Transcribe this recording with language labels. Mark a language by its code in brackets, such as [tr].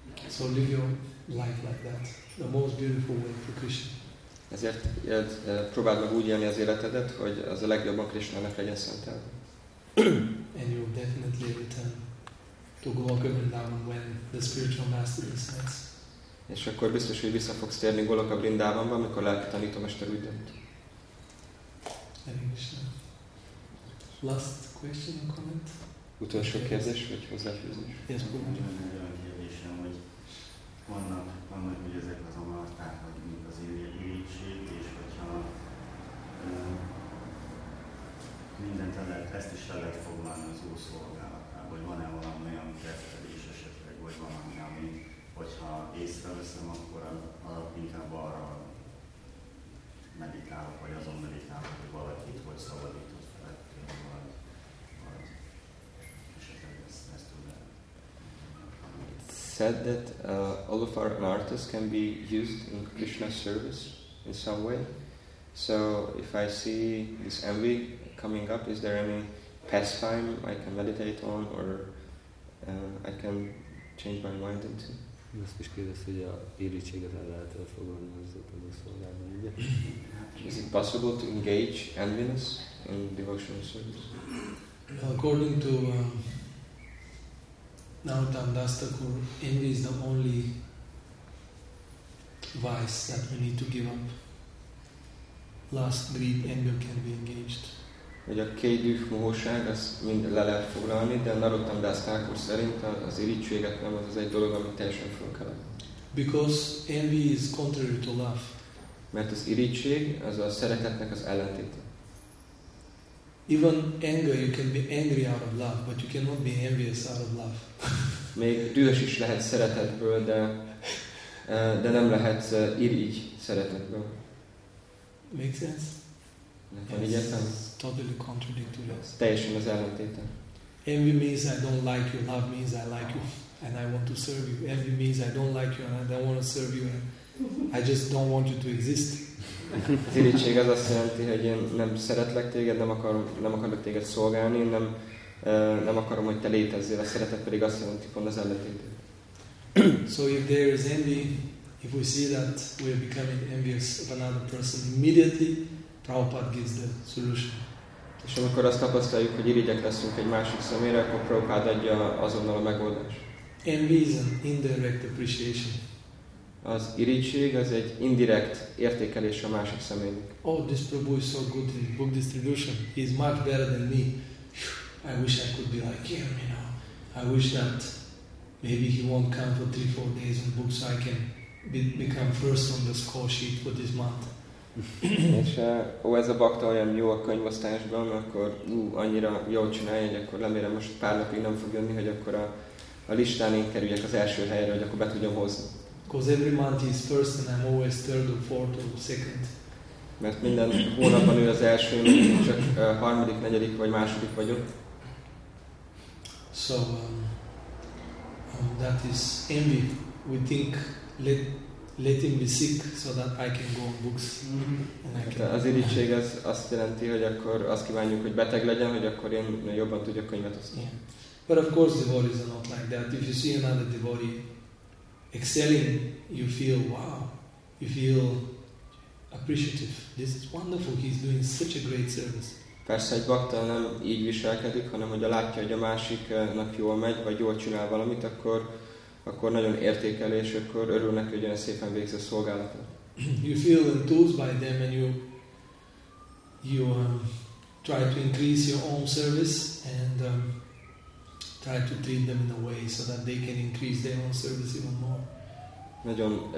[en] So live your life like that, the most beautiful way for Krishna. [hu] Ezért próbáld meg úgy élni az életedet, hogy az a legjobban Krishnának legyen szentelve. [en] And you will definitely return to Goloka Vrindavan when the spiritual master descends. [hu] És akkor biztos, hogy vissza fogsz térni Goloka Vrindavanba, amikor lelki tanító mester úgy dönt. [en] Hare Krishna. Last question or comment? [hu] Utolsó kérdés, vagy hozzáfűzés? [en] Yes, Guru. [hu] Nagyon nagy kérdésem, hogy vannak ugye ezek az amarták, vagy mint az irigység, és hogyha mindent el lehet, ezt is el lehet foglalni az Úr szolgálatában, vagy van-e valami olyan kettődés esetleg, vagy valami, ami, hogyha észreveszem, akkor inkább arra meditálok, vagy azon meditálok, hogy valakit, hogy szabadított felettől, vagy esetleg ezt tudom. [en] It's said that all of our anarthas can be used in Krishna's service in some way. So if I see this envy coming up, is there any pastime I can meditate on, or I can change my mind into? [hu] Azt is kérdezte, hogy a irigységet el lehet elfogadni az utolsó szolgálatban, ugye? [en] Is it possible to engage enviness in devotional service? According to Narottam Das Thakur, envy is the only vice that we need to give up. Last greed, anger can be engaged. [hu] Hogy a kétdűf mohóság, ezt mind le lehet foglalni, de Narottam Das Thakur szerint az irigységet nem, az egy dolog, amit teljesen fel kell. [en] Because envy is contrary to love. [hu] Mert az irigység, az a szeretetnek az ellentéte. [en] Even anger, you can be angry out of love, but you cannot be envious out of love. [hu] Még dühös is lehet szeretetből, de nem lehet irigy szeretetből. [en] Make sense? Yes, totally contradictory. [hu] Teljesen az ellentéte. [en] Envy means I don't like you. Love means I like you and I want to serve you. Envy means I don't like you and I don't want to serve you. And I just don't want you to exist. [hu] Az irigység az azt jelenti, hogy én nem szeretlek téged, nem akarok téged szolgálni, nem akarom, hogy te létezzél. A szeretet pedig azt jelenti, pont az ellentétét. [en] So if there is envy, if we see that we are becoming envious of another person, immediately Prabhupada gives the solution. [hu] És amikor azt tapasztaljuk, hogy irigyek leszünk egy másik személyre, akkor Prabhupada adja azonnal a megoldást. [en] Envy is an indirect appreciation. [hu] Az irigység az egy indirekt értékelés a másik személynek. [en] Oh, this Prabhu is so good in book distribution. He is much better than me. I wish I could be like him, you know. I wish that maybe he won't come for 3-4 days on books, so I can become first on the score sheet for this month. [hu] És ez a bakta olyan jó a könyvosztásban, akkor annyira jól csinálja, hogy akkor remélem most pár napig nem fog jönni, hogy akkor a listán én kerüljek az első helyre, hogy akkor be tudjam hozni. [en] Because every month is first and I'm always third or fourth or second. [hu] Mert minden hónapban ő az első, én csak harmadik, negyedik vagy második vagyok. [en] So that is envy. We think letting me sick so that I can go on books. [hu] Az irigység az azt jelenti, hogy akkor azt kívánjuk, hogy beteg legyen, hogy akkor én jobban tudjak könyvet osztani. [en] Yeah. But of course devotees are not like that. If you see another devotee excelling, you feel wow. You feel appreciative. This is wonderful. He's doing such a great service. [hu] Persze egy bakta nem így viselkedik, hanem hogyha látja, hogy a másiknak jól megy, vagy jól csinál valamit, akkor nagyon értékeli, és akkor örül neki, hogy olyan szépen végzi a szolgálatot. [en] You feel enthused by them, and you try to increase your own service, and try to treat them in a way so that they can increase their own service even more.